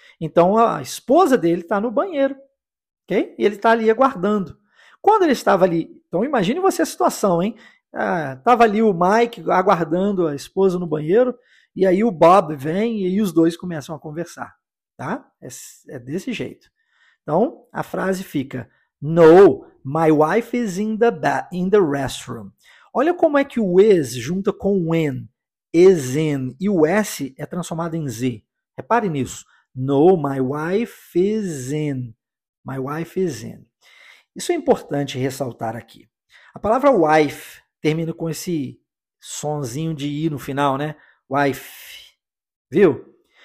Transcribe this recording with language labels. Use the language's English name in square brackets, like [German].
[Portuguese] Então, a esposa dele está no banheiro, ok? E ele está ali aguardando. Quando ele estava ali, então imagine você a situação, hein? Estava ali o Mike aguardando a esposa no banheiro E aí o Bob vem e os dois começam a conversar, tá? É desse jeito. Então, a frase fica: [English] No, my wife is in the restroom. [Portuguese] Olha como é que o is junta com o when, [English] is in, [Portuguese] e o s é transformado em z. Repare nisso. [English] No, my wife is in. My wife is in. [Portuguese] Isso é importante ressaltar aqui. A palavra wife termina com esse sonzinho de i no final, né? Wife. Viu?